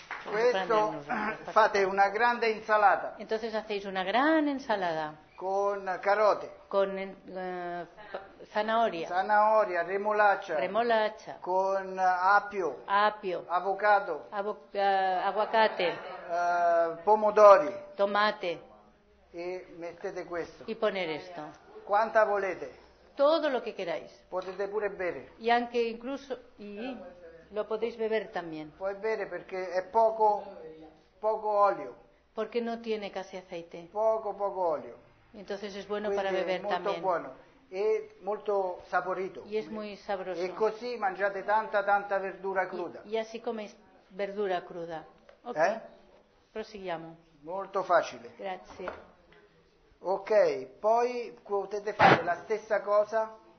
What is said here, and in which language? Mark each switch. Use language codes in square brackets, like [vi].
[it] Questo fate una grande insalata. [es] Entonces hacéis una gran ensalada. [it] Con carote. [es] Con zanahoria. Zanahoria, remolacha. Remolacha. [it] Con apio. [es] Apio. [it] Avocado. [es] Aguacate. [it] Pomodori. [es] Tomate. [it] E mettete questo. [es] Y poner esto. [it] Quanta volete? [es] Todo lo que queráis. [it] Potete pure bere. [es] Y [it] anche [es] incluso y lo podéis beber también. [it] Puoi bere perché è poco olio. [es] Porque no tiene casi aceite. [it] Poco olio. [es] Entonces es bueno para beber también. [it] Molto buono. E molto saporito. [es] Y es muy sabroso. [it] E così mangiate tanta verdura cruda. [es] Y así coméis verdura cruda. [it] Ok. Prosiguiamo. Molto facile. Grazie. Ok, poi potete fare la stessa cosa.